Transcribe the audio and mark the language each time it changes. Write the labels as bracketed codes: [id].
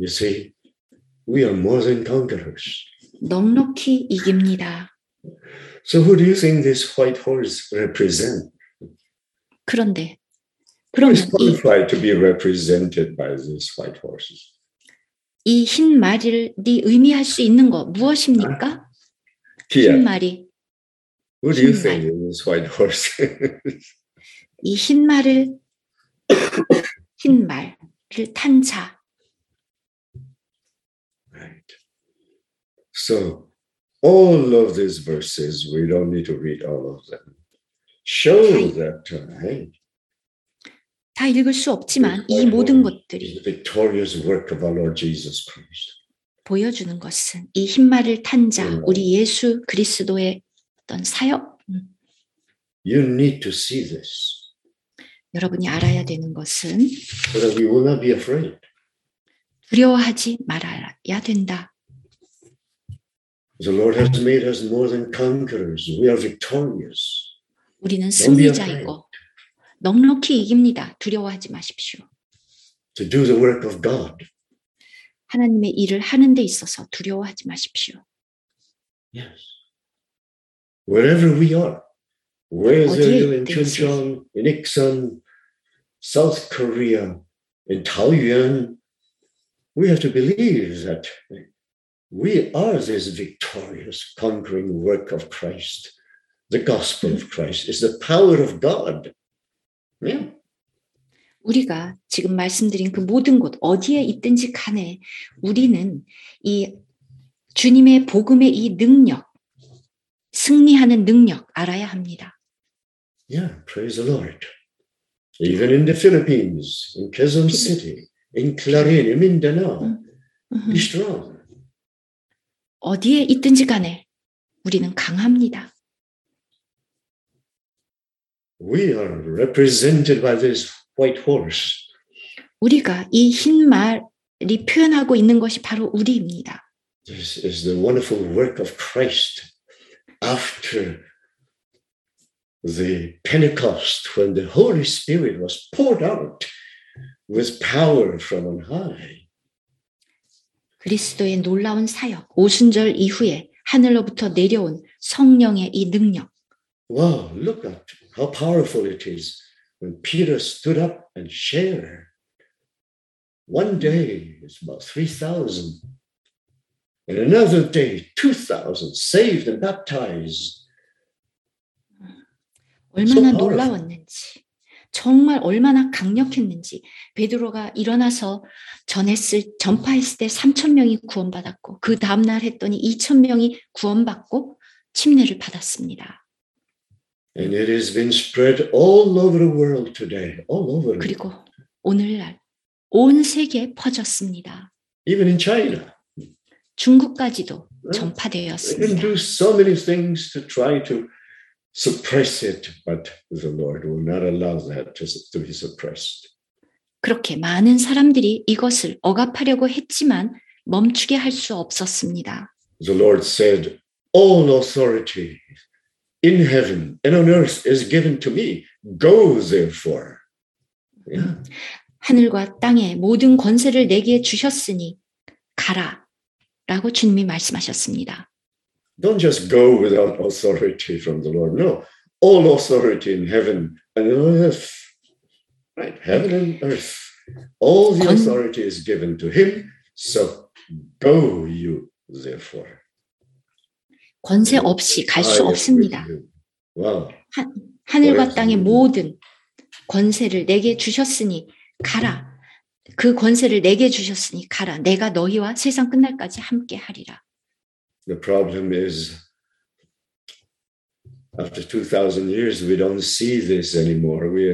[en] You see, we are more than conquerors. [ko] 넉넉히 이깁니다. [en] So who do you think this white horse represent? [ko] 그런데 [en] who is qualified to be represented by this white horse? [ko] 이 흰 말을 네 의미할 수 있는 거 무엇입니까? 흰 말이. [en] Who do you think is this white horse? [ko] 이 흰 말을 흰 말을 탄 자. [en] Right. So all of these verses, we don't need to read all of them, show that tonight. [ko] 다 읽을 수 없지만 이 모든 것들이 [en] the victorious work of our Lord Jesus Christ. [ko] 보여주는 것은 이 흰 말을 탄 자, 우리 예수 그리스도의 어떤 사역. [en] You need to see this. [ko] 여러분이 알아야 되는 것은 [en] so that we will not be afraid. [ko] 두려워하지 말아야 된다. [en] The Lord has made us more than conquerors. We are victorious. [ko] 우리는 승리자이고 넉넉히 이깁니다. 두려워하지 마십시오. [en] To do the work of God. [ko] 하나님의 일을 하는 데 있어서 두려워하지 마십시오. [en] Yes. Wherever we are, whether you're in Chuncheon, in Iksan, South Korea, in Taoyuan, we have to believe that we are this victorious, conquering work of Christ. The gospel of Christ is the power of God. Yeah. [ko] 우리가 지금 말씀드린 그 모든 곳 어디에 있든지 간에 우리는 이 주님의 복음의 이 능력, 승리하는 능력 알아야 합니다. [en] Yeah, praise the Lord. Even in the Philippines, in Quezon City, in Clarín, in Mindanao, be strong. [ko] 어디에 있든지 간에 우리는 강합니다. [en] We are represented by this white horse. [ko] 우리가 이 흰 말이 표현하고 있는 것이 바로 우리입니다. [en] This is the wonderful work of Christ after the Pentecost when the Holy Spirit was poured out with power from on high. [ko] 그리스도의 놀라운 사역, 오순절 이후에 하늘로부터 내려온 성령의 이 능력. [en] Wow, look at how powerful it is when Peter stood up and shared. One day is about 3,000. And another day, 2,000 saved and baptized. [ko] 얼마나 so 놀라웠는지. 정말 얼마나 강력했는지 베드로가 일어나서 전파했을 때 3,000명이 구원받았고 그 다음날 했더니 2,000명이 구원받고 침례를 받았습니다. [en] And it has been spread all over the world today, all over. [ko] 그리고 오늘날 온 세계에 퍼졌습니다. [en] Even in China. [ko] 중국까지도 전파되었습니다. [en] They can do so many things to try to suppress it, but the Lord will not allow that to be suppressed. [ko] 그렇게 많은 사람들이 이것을 억압하려고 했지만 멈추게 할 수 없었습니다. [en] The Lord said, "All authority in heaven and on earth is given to me. Go therefore." Yeah. [ko] 하늘과 땅의 모든 권세를 내게 주셨으니 가라라고 주님이 말씀하셨습니다. [en] Don't just go without authority from the Lord. No, all authority in heaven and earth. Right, heaven and earth. All the authority is given to him. So go you therefore. [ko] 권세 없이 갈 수 없습니다. 하늘과 땅의 모든 권세를 내게 주셨으니 가라. 그 권세를 내게 주셨으니 가라. 내가 너희와 세상 끝날까지 함께 하리라. [en] The problem is after 2000 years we don't see this anymore.